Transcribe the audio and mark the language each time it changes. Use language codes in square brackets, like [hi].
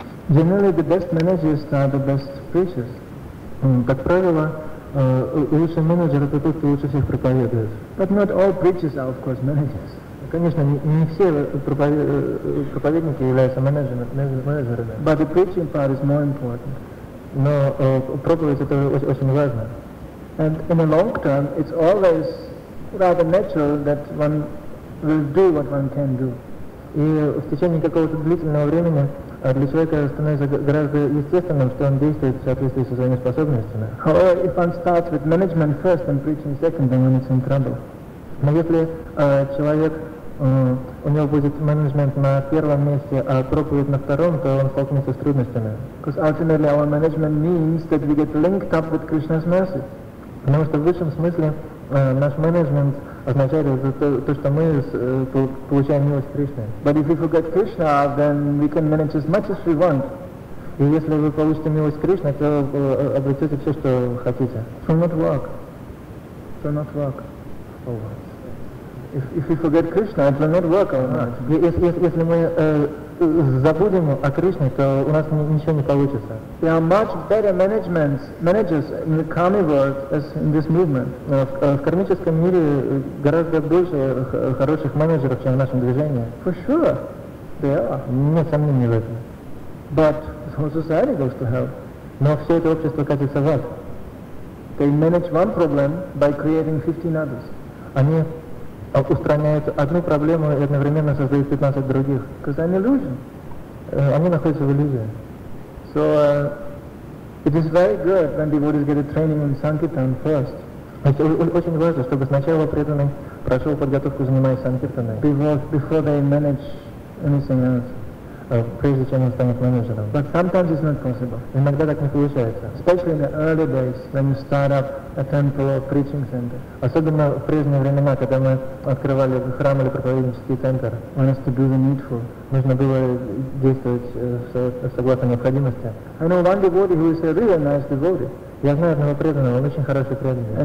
[en] Generally, the best managers are the best preachers. [ru] Как правило, лучший менеджер — это тот, кто лучше всех проповедует. [en] But not all preachers are, of course, managers. [ru] Конечно, не все проповедники являются менеджерами. [en] But the preaching part is more important. [ru] Но проповедь — это очень важно. [en] And in the long term, it's always rather natural that one will do what one can do. [ru] И в течение какого-то длительного времени для человека становится гораздо естественным, что он действует в соответствии со своими способностями. [en] However, if one starts with management first and preaching second, then one is in trouble. [ru] Но если человек, у него будет менеджмент на первом месте, а проповедь на втором, то он столкнется с трудностями. [en] Because ultimately our management means that we get linked up with Krishna's mercy. [ru] Потому что в высшем смысле наш менеджмент означает то, что мы получаем милость Кришны. [en] But if we forget Krishna, then we can manage as much as we want. [ru] И если вы получите милость Кришны, то обретете все, что хотите. [en] It will not work. It will not work. Oh. If we forget Krishna, it will not work our mind. [ru] Если мы забудем о Кришне, то у нас ничего не получится. [en] There are much better managers in the karmic world as in this movement. [ru] В кармическом мире гораздо больше хороших менеджеров, чем в нашем движении. [en] For sure, there are. [ru] Нет сомнений в этом. [en] But whole society goes to hell. [ru] Но все это общество катится в ад. [en] They manage one problem by creating 15 others. [ru] Они устраняют одну проблему и одновременно создают 15 других. [en] Because they're an illusion. [ru] Они находятся в иллюзии. [en] So, it is very good when devotees get a training in Sankirtan first. [ru] Очень важно, чтобы сначала преданный прошел подготовку, занимаясь Санкиртаной. [en] Before they manage anything else. [ru] Прежде чем он станет менеджером. [en] But sometimes it's not possible. [ru] Иногда так не получается. [en] Especially in the early days, when you start up a temple or preaching center. [ru] Особенно в прежние времена, когда мы открывали храм или проповеднический центр. [en] One has to do the needful. [ru] Нужно было действовать согласно необходимости. [en] I know one devotee who is a really nice devotee. [ru] Я знаю одного преданного, он очень хороший преданный.